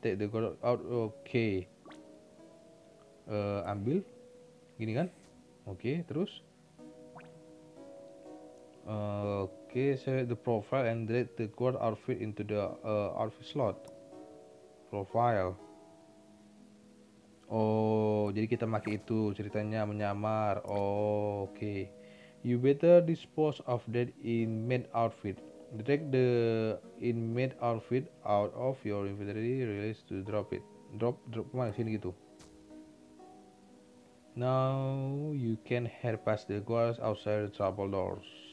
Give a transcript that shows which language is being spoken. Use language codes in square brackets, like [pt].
[en] Take the ghost out. Okay. [id] Ambil. Gini kan? [en] Okay, [id] terus. [en] Okay, select the profile and drag the ghost outfit into the outfit slot. Profile. [id] Oh, jadi kita pakai itu ceritanya menyamar. [en] Oh, okay. You better dispose of that in main outfit. Drag the inmate outfit out of your inventory release to drop it. Drop [id] kemana? Sini gitu. [en] Now you can head past the guards outside the trouble doors.